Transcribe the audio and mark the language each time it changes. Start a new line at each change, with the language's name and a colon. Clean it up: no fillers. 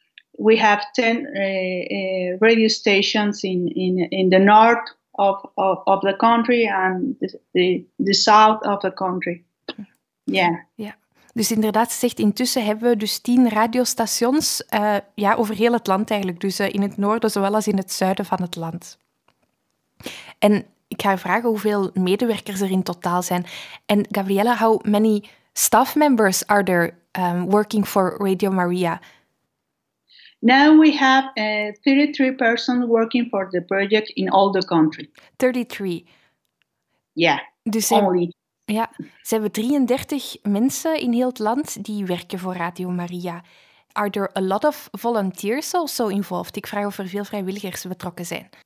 English: We have 10 radio stations in the north, of the country and the south of the country. Yeah.
Dutch: Ja. Dus inderdaad, zegt intussen hebben we dus 10 radiostations over heel het land eigenlijk. Dus in het noorden zowel als in het zuiden van het land. En ik ga vragen hoeveel medewerkers er in totaal zijn.
English: En Gabriella, how many staff members are there working for Radio Maria? Now we have 33 persons working for the project in all the country. 33? Yeah,
Dutch: dus
English: only.
Dutch: Ja, ze hebben 33 mensen in heel het land die werken voor Radio Maria.
English: Are there a lot of volunteers also involved?
Dutch: Ik vraag of er veel vrijwilligers betrokken zijn.